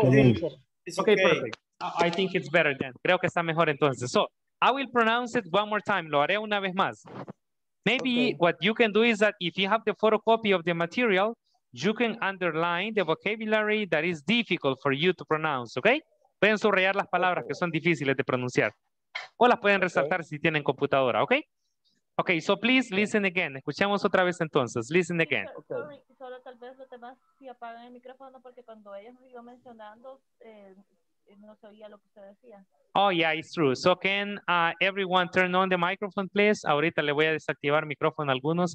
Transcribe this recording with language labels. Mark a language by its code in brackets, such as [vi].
[en] Okay, perfect. I think it's better then. [es] Creo que está mejor entonces. [en] So, I will pronounce it one more time. [es] Lo haré una vez más. [en] Maybe okay. What you can do is that if you have the photocopy of the material, you can underline the vocabulary that is difficult for you to pronounce, okay? Pueden subrayar las palabras okay. Que son difíciles de pronunciar. O las pueden resaltar okay. Si tienen computadora, okay? Okay, so please listen again. [es] Escuchemos otra vez entonces. [en] Listen again. Sorry, okay. [es] Solo tal vez los demás si apagan el micrófono porque cuando ella me iba mencionando, no se oía lo que usted decía. [en] Oh, yeah, it's true. So can everyone turn on the microphone, please? [es] Ahorita le voy a desactivar micrófono a algunos.